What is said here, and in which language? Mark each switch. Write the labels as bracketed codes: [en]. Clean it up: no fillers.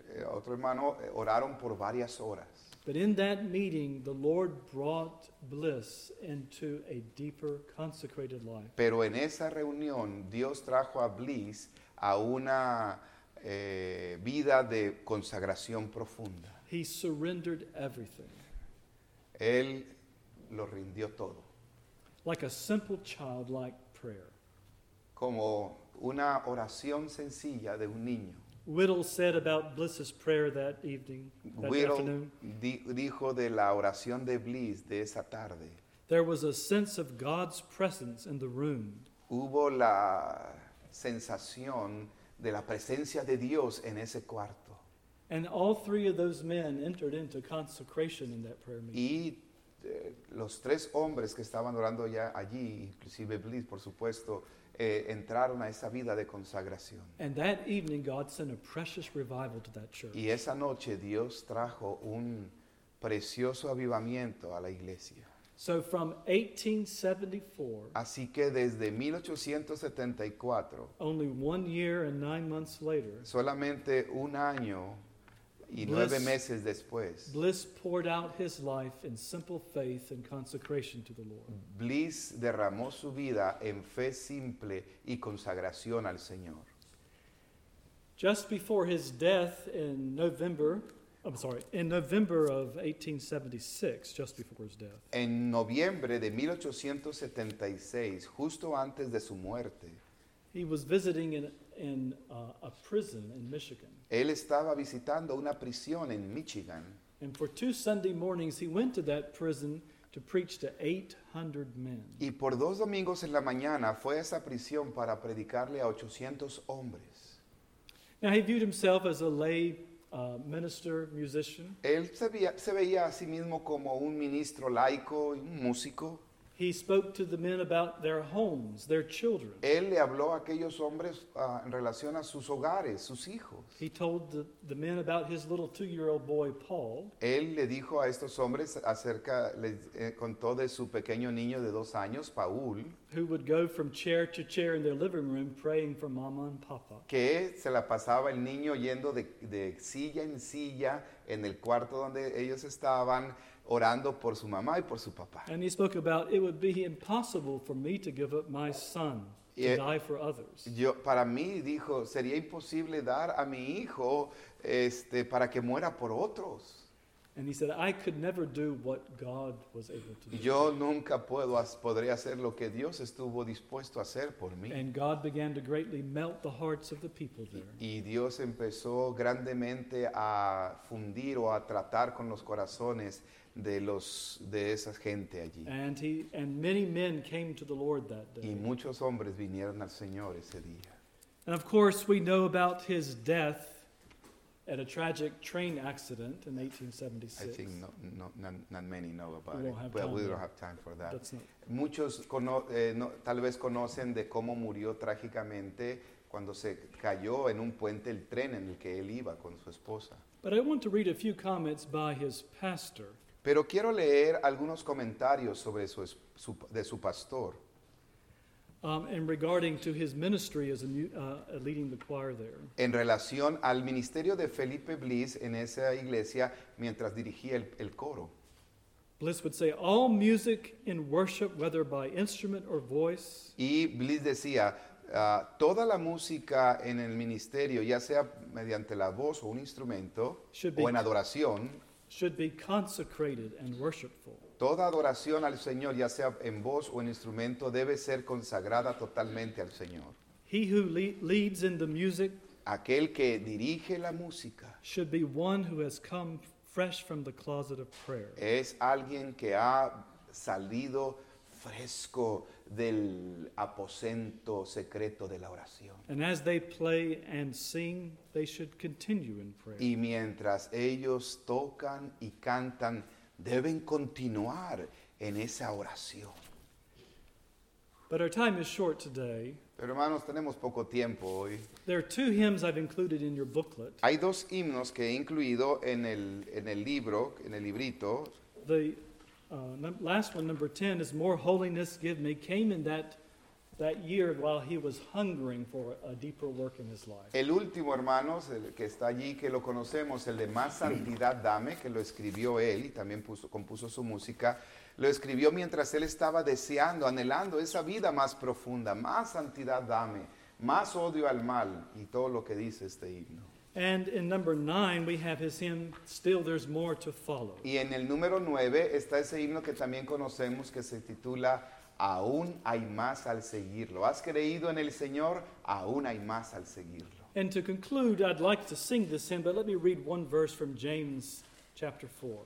[es] Otro hermano oraron por varias horas. [en] But in that meeting, the Lord brought Bliss into a deeper, consecrated life. [es] Pero en esa reunión, Dios trajo a Bliss a una vida de consagración profunda. [en] He surrendered everything. [es] Él lo rindió todo. [en] Like a simple childlike prayer. [es] Como una oración sencilla de un niño. [en] Whittle said about Bliss's prayer that evening, that Whittle afternoon. [es] Dijo de la oración de Bliss de esa tarde. [en] There was a sense of God's presence in the room. [es] Hubo la sensación de la presencia de Dios en ese cuarto. [en] And all three of those men entered into consecration in that prayer meeting. [es] Y los tres hombres que estaban orando ya allí, inclusive Bliss, por supuesto, entraron a esa vida de consagración. [en] And that evening, God sent a precious revival to that church. [es] Y esa noche Dios trajo un precioso avivamiento a la iglesia. [en] So from 1874, [es] así que desde 1874, [en] only 1 year and 9 months later, [es] solamente un año y nueve meses después. [en] Bliss poured out his life in simple faith and consecration to the Lord. [es] Bliss derramó su vida en fe simple y consagración al Señor. [en] Just before his death in November, I'm sorry, in November of 1876, just before his death. [es] En noviembre de 1876, justo antes de su muerte. [en] He was visiting in a prison in Michigan. [es] Él estaba visitando una prisión en Michigan. [en] And for two Sunday mornings, he went to that prison to preach to 800 men. [es] Y por dos domingos en la mañana, fue a esa prisión para predicarle a 800 hombres. [en] Now he viewed himself as a lay minister, musician. [es] Él se veía a sí mismo como un ministro laico, un músico. [en] He spoke to the men about their homes, their children. [es] Él le habló a aquellos hombres en relación a sus hogares, sus hijos. [en] He told the men about his little 2-year-old boy, Paul. [es] Él le dijo a estos hombres acerca, contó de su pequeño niño de 2 años, Paul. [en] Who would go from chair to chair in their living room praying for mama and papa. [es] Que se la pasaba el niño yendo de silla en silla en el cuarto donde ellos estaban, orando por su mamá y por su papá. [en] And he spoke about it would be impossible for me to give up my son to die for others. [es] Yo, para mí, dijo, sería imposible dar a mi hijo para que muera por otros. [en] And he said, I could never do what God was able to do. [es] Yo nunca podría hacer lo que Dios estuvo dispuesto a hacer por mí. [en] And God began to greatly melt the hearts of the people there. [es] Y Dios empezó grandemente a fundir o a tratar con los corazones de esa gente allí. [en] And many men came to the Lord that day. [es] Y muchos hombres vinieron al Señor ese día. [en] And of course we know about his death at a tragic train accident in 1876. I think not many know about it. We don't have time for that. That's not... [es] Muchos tal vez conocen de cómo murió trágicamente cuando se cayó en un puente el tren en el que él iba con su esposa. [en] But I want to read a few comments by his pastor. [es] Pero quiero leer algunos comentarios sobre su pastor. [en] And regarding to his ministry as a leading the choir there. [es] En relación al ministerio de Felipe Bliss en esa iglesia mientras dirigía el coro. [en] Bliss would say, all music in worship, whether by instrument or voice. [es] Y Bliss decía, toda la música en el ministerio, ya sea mediante la voz o un instrumento, o en adoración, should be consecrated and worshipful. Toda adoración al Señor, ya sea en voz o en instrumento, debe ser consagrada totalmente al Señor. [en] He who leads in the music, [es] aquel que dirige la música, [en] should be one who has come fresh from the closet of prayer. [es] Es alguien que ha salido fresco del aposento secreto de la oración. [en] And as they play and sing, they should continue in prayer. [es] Y mientras ellos tocan y cantan, deben continuar en esa oración. [en] But our time is short today. [es] Pero hermanos, tenemos poco tiempo hoy. [en] There are two hymns I've included in your booklet. [es] Hay dos himnos que he incluido en el libro, en el librito. [en] The last one, number 10, is More Holiness Give Me, came in that year while he was hungering for a deeper work in his life. [es] El último, hermanos, el que está allí, que lo conocemos, el de Más Santidad Dame, que lo escribió él y también compuso su música, lo escribió mientras él estaba deseando, anhelando esa vida más profunda, Más Santidad Dame, Más Odio al Mal, y todo lo que dice este himno. [en] And in number 9, we have his hymn, Still There's More to Follow. [es] Y en el número 9 está ese himno que también conocemos, que se titula Aún hay más al seguirlo. Has creído en el Señor, aún hay más al seguirlo. [en] And to conclude, I'd like to sing this hymn, but let me read one verse from James chapter 4.